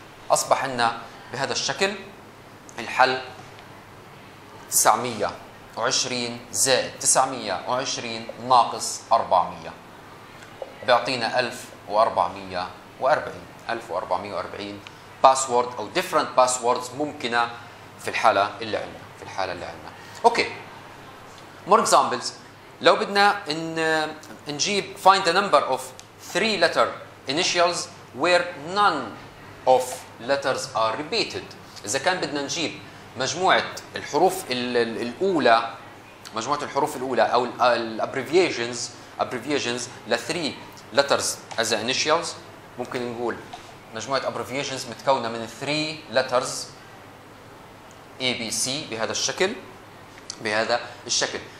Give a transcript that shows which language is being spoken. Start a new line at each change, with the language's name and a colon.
Arabic: أصبح عندنا بهذا الشكل الحل 920 زائد 920 ناقص 400 بيعطينا 1440 1440 باسورد أو
English: different passwords
Arabic: ممكنة في الحالة اللي عندنا، في الحالة اللي عندنا.
English: Okay, more examples.
Arabic: لو بدنا نجيب
English: find the number of three letter initials where none of letters are repeated.
Arabic: إذا كان بدنا نجيب مجموعة الحروف الأولى، مجموعة الحروف الأولى أو الابريفيشنز لثري letters as initials، ممكن نقول مجموعة abbreviations متكونة من three letters A B C بهذا الشكل، بهذا الشكل.